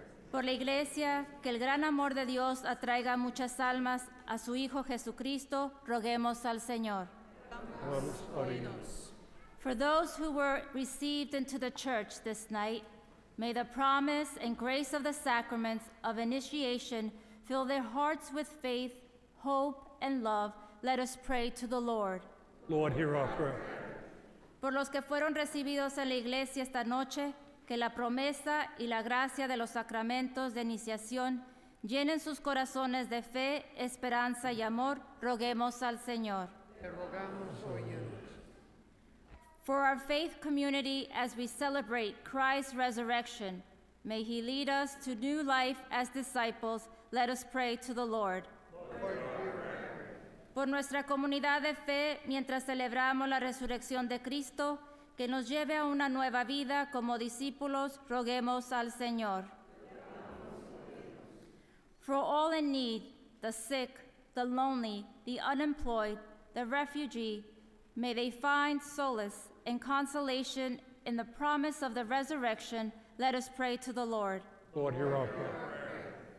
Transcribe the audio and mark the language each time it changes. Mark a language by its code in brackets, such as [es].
[es] Por la iglesia, que el gran amor de Dios atraiga muchas almas a su Hijo Jesucristo, roguemos al Señor. Vamos orinos. [en] For those who were received into the church this night, may the promise and grace of the sacraments of initiation fill their hearts with faith, hope, and love. Let us pray to the Lord. Lord, hear our prayer. [es] Por los que fueron recibidos en la iglesia esta noche, que la promesa y la gracia de los sacramentos de iniciación llenen sus corazones de fe, esperanza, y amor, roguemos al Señor. Te rogamos, óyenos. [en] For our faith community, as we celebrate Christ's resurrection, may he lead us to new life as disciples. Let us pray to the Lord. Lord, hear our prayer. [es] Por nuestra comunidad de fe, mientras celebramos la resurrección de Cristo, que nos lleve a una nueva vida como discípulos, roguemos al Señor. [en] For all in need, the sick, the lonely, the unemployed, the refugee, may they find solace and consolation in the promise of the resurrection. Let us pray to the Lord. Lord, hear our prayer.